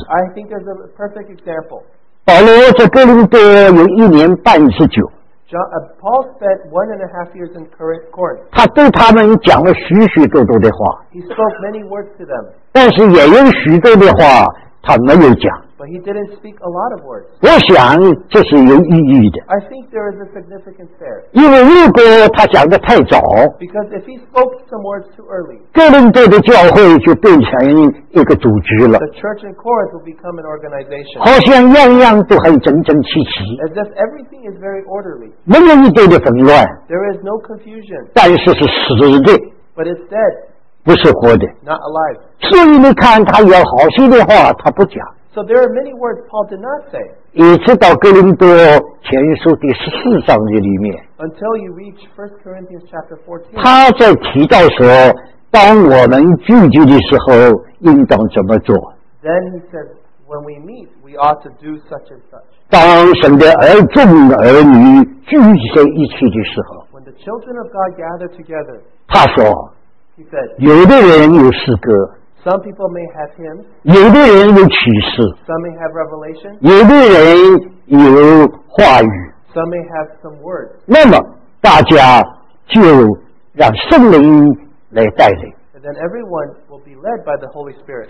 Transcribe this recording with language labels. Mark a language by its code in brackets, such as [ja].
[en] I think there's a perfect example. [zh] 保罗在哥林多有一年半之久。 [en] Paul spent 1.5 years in Corinth. [zh] 他对他们讲了许许多多的话。 [en] He spoke many words to them. [zh] 但是也有许多的话他没有讲。 [en] But he didn't speak a lot of words. [zh] 我想这是有意义的。 [en] I think there is a significance there. [zh] 因为如果他讲得太早。 [en] Because if he spoke some words too early. [zh] 哥林多的教会就变成一个组织了。 [en] The church in Corinth will become an organization. [zh] 好像样样都很整整齐齐。 [en] As if everything is very orderly. [zh] 没有一点的纷乱。 [en] There is no confusion. [zh] 但是是死的。 [en] But it's dead. [zh] 不是活的。 [en] Not alive. [zh] 所以你看他有好些的话他不讲。 [en] So there are many words Paul did not say. [zh] 一直到哥林多前书第十四章的里面。 [en] Until you reach 1 Corinthians chapter 14. [zh] 他在提到说，当我们聚集的时候，应当怎么做。 [en] Then he said, when we meet, we ought to do such and such. [zh] 当神的儿众儿女聚集在一起的时候。 [en] When the children of God gather together. [zh] 他说， [en] he said, [zh] 有的人有诗歌。 [en] Some people may have hymns. [zh] 有的人有启示。 [en] Some may have revelation. [zh] 有的人有话语。 [en] Some may have some words. [zh] 那么大家就让圣灵来带领。 [en] And then everyone will be led by the Holy Spirit.